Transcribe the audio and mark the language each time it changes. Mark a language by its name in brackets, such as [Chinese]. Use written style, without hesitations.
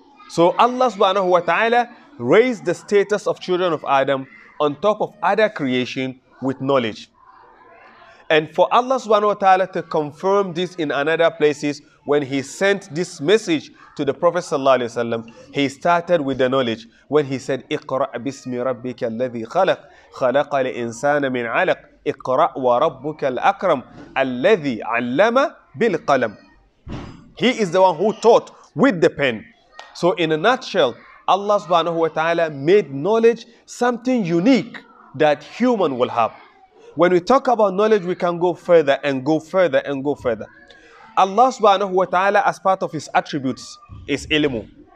[English] So Allah subhanahu wa ta'ala raised the status of children of Adam on top of other creation with knowledge. And for Allah subhanahu wa ta'ala to confirm this in another places, when he sent this message to the Prophet sallallahu alaihi wasallam, he started with the knowledge. [Arabic] When he said, اقرأ باسم ربك الذي خلق خلق الإنسان من علق اقرأ وربك الأكرم الذي علم بالقلم. [English] He is the one who taught with the pen. So in a nutshell, Allah subhanahu wa ta'ala made knowledge something unique that human will have. When we talk about knowledge, we can go further and go further and go further. Allah subhanahu wa ta'ala, as part of his attributes, is ilmu.